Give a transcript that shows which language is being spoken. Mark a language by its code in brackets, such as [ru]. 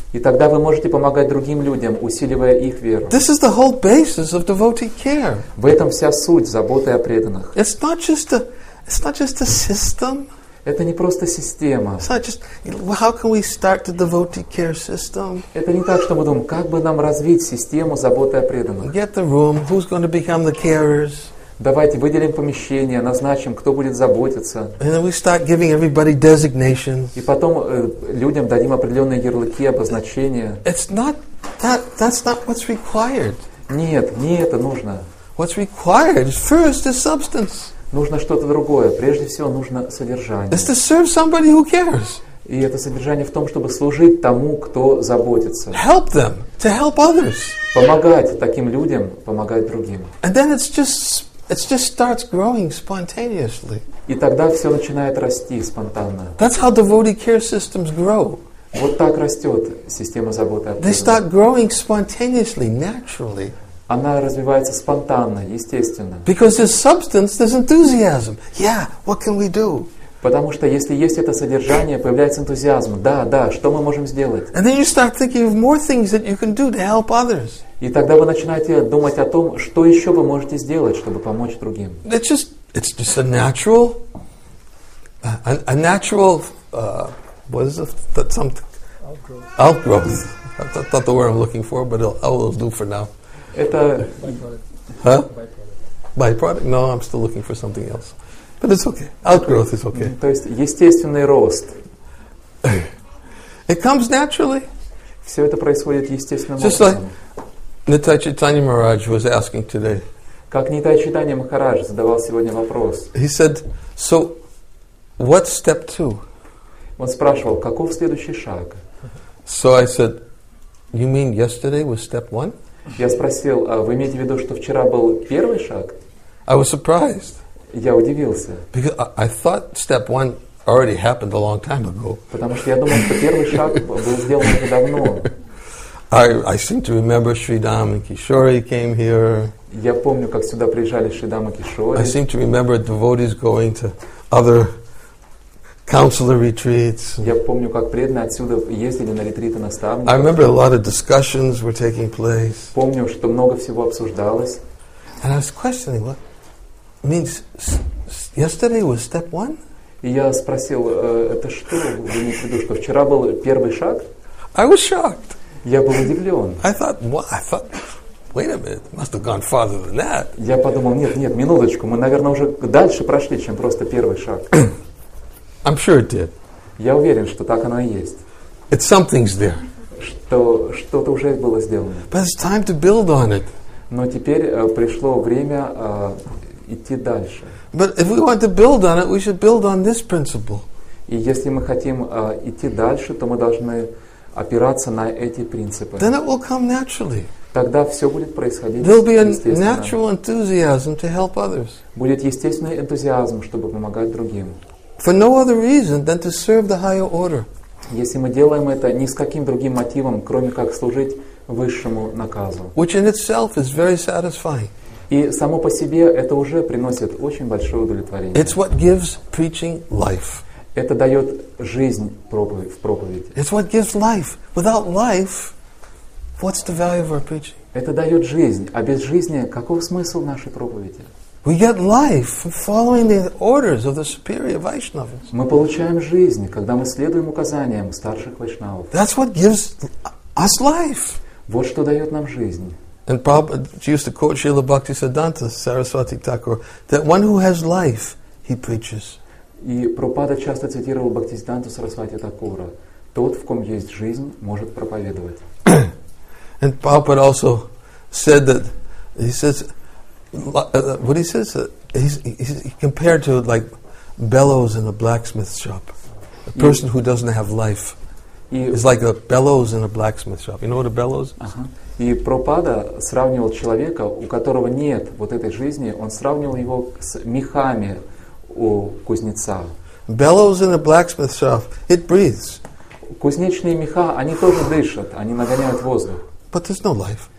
[ru] И тогда вы можете помогать другим людям, усиливая их веру. [en] This is the whole basis of devotee care. [ru] В этом вся суть заботы о преданных. [en] It's not just a It's not just a system. [ru] Это не просто система. [en] It's not just, how can we start the devotee care system? [ru] Это не так, что мы думаем, как бы нам развить систему заботы о преданных. [en] Get the room. Who's going to become the carers? [ru] Давайте выделим помещение, назначим, кто будет заботиться. [en] And then we start giving everybody designations. [ru] И потом людям дадим определенные ярлыки, обозначения. [en] It's not that. That's not what's required. [ru] Нет, не это нужно. [en] What's required first is substance. [ru] Нужно что-то другое. Прежде всего, нужно содержание. [en] It's to serve somebody who cares. [ru] И это содержание в том, чтобы служить тому, кто заботится. [en] Help them to help others. [ru] Помогать таким людям, помогать другим. [en] And then it just starts growing spontaneously. [ru] И тогда все начинает расти спонтанно. [en] That's how devotee care systems grow. [ru] Вот так растет система заботы о преданных. [en] They start growing spontaneously, naturally. [ru] Она развивается спонтанно, естественно. [en] Because there's substance, there's enthusiasm. Yeah, what can we do? [ru] Потому что если есть это содержание, появляется энтузиазм. Да, да, что мы можем сделать? [en] And then you start thinking of more things that you can do to help others. [ru] И тогда вы начинаете думать о том, что еще вы можете сделать, чтобы помочь другим. [en] It's just a natural outgrowth. That's not the word I'm looking for, but I'll do for now. [ru] Это [en] Byproduct? No, I'm still looking for something else. But it's okay. Outgrowth is okay. [ru] То есть естественный рост. [en] It comes naturally. [ru] Все это происходит естественным [en] Just [ru] образом. [en] Just like Nitai Chaitanya Maharaj was asking today. [ru] Как Нитай Чайтанья Махарадж задавал сегодня вопрос. [en] He said, "So, what's step two?" [ru] Он спрашивал, каков следующий шаг. [en] So I said, "You mean yesterday was step one?" [ru] Я спросил, а вы имеете в виду, что вчера был первый шаг? [en] I was surprised. [ru] Я удивился. [en] Because I thought step one already happened a long time ago. [ru] Потому что я думал, что первый шаг был сделан уже давно. [en] I seem to remember Shridam and Kishori came here. [ru] Я помню, как сюда приезжали Шридам и Кишори. [en] I seem to remember devotees going to other counselor retreats. [ru] Я помню, как преданные отсюда ездили на ретриты наставников. [en] I remember a lot of discussions were taking place. [ru] Помню, что много всего обсуждалось. [en] And I was questioning what means yesterday was step one? [ru] И я спросил, это что, вы имеете в виду, что вчера был первый шаг? [en] I was shocked. [ru] Я был удивлен. [en] I thought, wait a minute, must have gone farther than that. [ru] Я подумал, нет, минуточку, мы, наверное, уже дальше прошли, чем просто первый шаг. [en] I'm sure it did. [ru] Я уверен, что так оно и есть. [en] It's something's there. [ru] Что-то уже было сделано. [en] But it's time to build on it. [ru] Но теперь пришло время идти дальше. [en] But if we want to build on it, we should build on this principle. [ru] И если мы хотим идти дальше, то мы должны опираться на эти принципы. [en] Then it will come naturally. [ru] Тогда все будет происходить [en] There'll be a natural enthusiasm to help others. [ru] Будет естественный энтузиазм, чтобы помогать другим. [en] For no other reason than to serve the higher order. [ru] Если мы делаем это ни с каким другим мотивом, кроме как служить высшему наказу. [en] Which in itself is very satisfying. [ru] И само по себе это уже приносит очень большое удовлетворение. [en] It's what gives preaching life. [ru] Это дает жизнь в проповеди. [en] It's what gives life. Without life, what's the value of our preaching? [ru] Это дает жизнь, а без жизни каков смысл нашей проповеди? [en] We get life from following the orders of the superior Vaishnavas. [ru] Мы получаем жизнь, когда мы следуем указаниям старших вайшнавов. [en] That's what gives us life. [ru] Вот что дает нам жизнь. [en] And Prabhupada used to quote Srila Bhaktisiddhanta Saraswati Thakur, that one who has life, he preaches. [ru] И Прабхупада часто цитировал Бхактисиддханту Сарасвати Такура, тот, в ком есть жизнь, может проповедовать. [en] And Prabhupada also said that, he says, what he says, he's compared to like bellows in a blacksmith shop. A person who doesn't have life is like a bellows in a blacksmith shop. You know what a bellows is? [ru] И Прабхупада сравнивал человека, у которого нет вот этой жизни, он сравнивал его с мехами у кузнеца. [en] Bellows in a blacksmith shop, it breathes. [ru] Кузнечные меха, они тоже дышат, они нагоняют воздух. [en] But there's no life.